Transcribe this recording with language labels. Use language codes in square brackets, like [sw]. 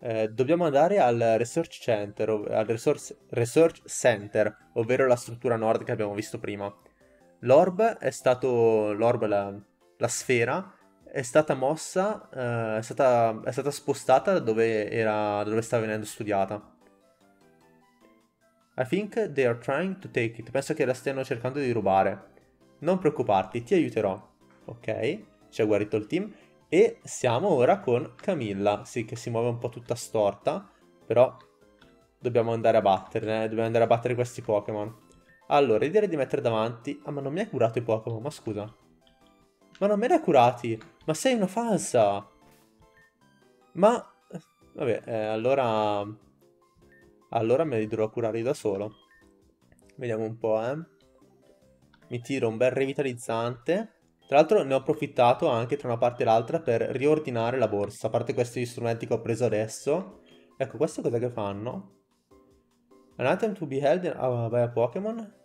[it] Dobbiamo andare al Research Center, Research Center, ovvero la struttura nord che abbiamo visto prima. L'orb è stato. L'orb, la sfera, è stata mossa, è stata spostata da dove era, da dove stava venendo studiata. [en] I think they are trying to take it. [it] Penso che la stiano cercando di rubare. Non preoccuparti, ti aiuterò. Ok, ci ha guarito il team. E siamo ora con Camilla. Sì, che si muove un po' tutta storta. Però dobbiamo andare a batterne. Dobbiamo andare a battere questi Pokémon. Allora, direi di mettere davanti. Ah, ma non mi ha curato i Pokémon, ma scusa. Ma non me li ha curati? Ma sei una falsa! Ma. Vabbè, allora. Allora me li dovrò curare da solo. Vediamo un po', eh. Mi tiro un bel revitalizzante. Tra l'altro ne ho approfittato anche tra una parte e l'altra per riordinare la borsa. A parte questi strumenti che ho preso adesso. Ecco, questo cos'è che fanno? [en] An item to be held by a Pokémon.